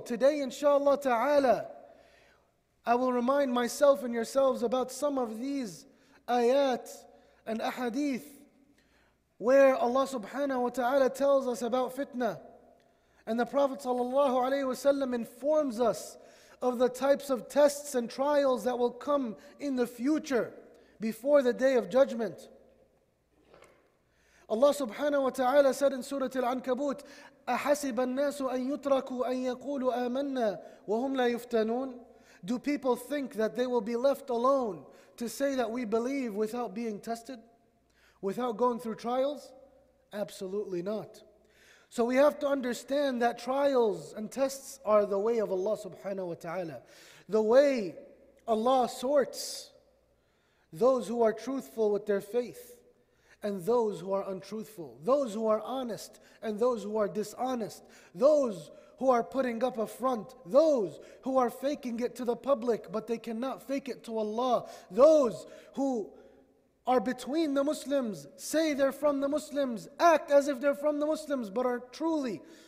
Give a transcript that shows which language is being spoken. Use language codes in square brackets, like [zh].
[en] Today, inshallah ta'ala, I will remind myself and yourselves about some of these ayat and ahadith where Allah subhanahu wa ta'ala tells us about fitna. And the Prophet sallallahu alayhi wasallam informs us of the types of tests and trials that will come in the future before the Day of Judgment. Allah subhanahu wa ta'ala said in Surah Al-Ankabut, [ar] أَحَسِبَ النَّاسُ أَن يُتْرَكُوا أَن يَقُولُوا آمَنَّا وَهُمْ لَا يُفْتَنُونَ. [en] Do people think that they will be left alone to say that we believe without being tested, without going through trials? Absolutely not. So we have to understand that trials and tests are the way of Allah subhanahu wa ta'ala. The way Allah sorts those who are truthful with their faith and those who are untruthful, those who are honest and those who are dishonest, those who are putting up a front, those who are faking it to the public but they cannot fake it to Allah, those who are between the Muslims, say they're from the Muslims, act as if they're from the Muslims, but are truly